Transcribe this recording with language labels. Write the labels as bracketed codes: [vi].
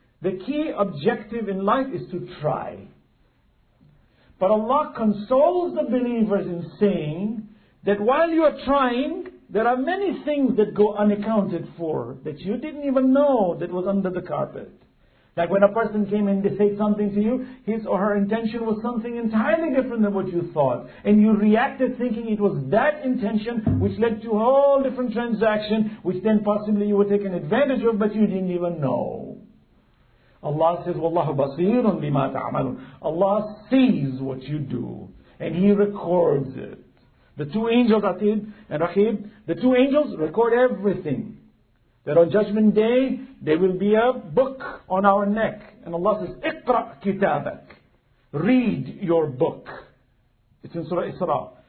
[en] The key objective in life is to try. But Allah consoles the believers in saying that while you are trying, there are many things that go unaccounted for that you didn't even know that was under the carpet. Like when a person came in to say something to you, his or her intention was something entirely different than what you thought. And you reacted thinking it was that intention which led to a whole different transaction which then possibly you were taken advantage of but you didn't even know. [ar] Allah says, وَاللَّهُ بَصِيرٌ بِمَا تَعْمَلُونَ. [en] Allah sees what you do and He records it. The two angels, Atid and Rahib, the two angels record everything. That on Judgment Day, there will be a book on our neck. And Allah says, [ar] اقرأ كتابك. [en] Read your book. It's in Surah Isra.